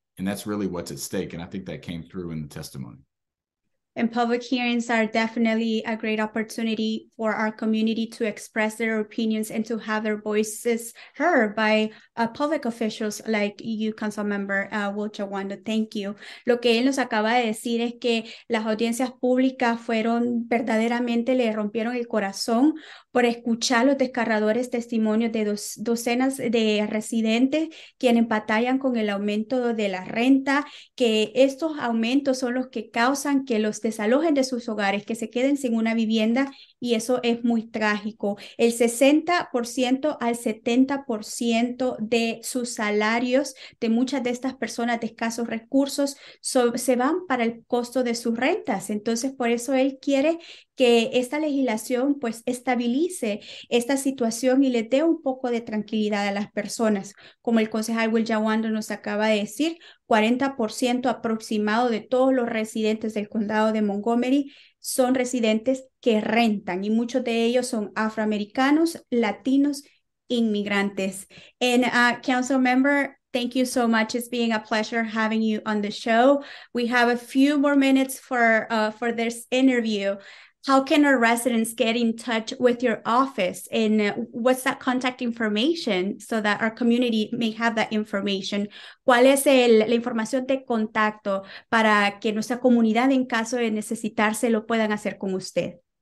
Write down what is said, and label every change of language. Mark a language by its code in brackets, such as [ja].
[en] And that's really what's at stake. And I think that came through in the testimony. And public hearings are definitely a great opportunity for our community to express their opinions and to have their voices heard by public officials like you, Councilmember Will Jawando. Thank you. [es] Lo que él nos acaba de decir es que las audiencias públicas fueron verdaderamente, le rompieron el corazón por escuchar los desgarradores testimonios de docenas de residentes quienes batallan con el aumento de la renta, que estos aumentos son los que causan que los desalojen de sus hogares, que se queden sin una vivienda, y eso es muy trágico. El 60% al 70% de sus salarios de muchas de estas personas de escasos recursos se van para el costo de sus rentas. Entonces, por eso él quiere que esta legislación pues estabilice esta situación y le dé un poco de tranquilidad a las personas. Como el concejal Will Jawando nos acaba de decir, 40% aproximado de todos los residentes del condado de Montgomery son residentes que rentan, y muchos de ellos son afroamericanos, latinos, inmigrantes. [en] And council member, thank you so much. It's been a pleasure having you on the show. We have a few more minutes for this interview. How can our residents get in touch with your office, and what's that contact information so that our community may have that information? [es] ¿Cuál es la información de contacto para que nuestra comunidad, en caso de necesitarse, lo puedan hacer con usted?